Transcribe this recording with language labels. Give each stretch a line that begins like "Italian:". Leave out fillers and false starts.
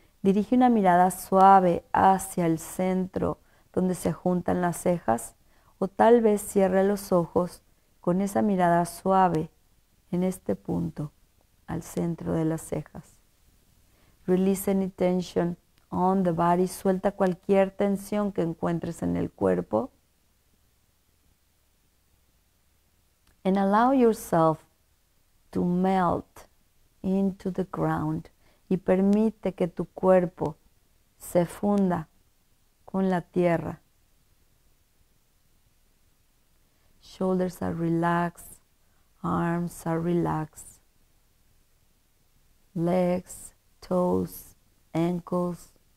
Spanish: Dirige una mirada suave hacia el centro donde se juntan las cejas o tal vez cierre los ojos con esa mirada suave en este punto, al centro de las cejas.
English: Release any tension on the body.
Spanish: Suelta cualquier tensión que encuentres en el cuerpo.
English: And allow yourself to melt into the ground.
Spanish: Y permite que tu cuerpo se funda con la tierra.
English: Shoulders are relaxed. Arms are relaxed. Legs, toes, ankles.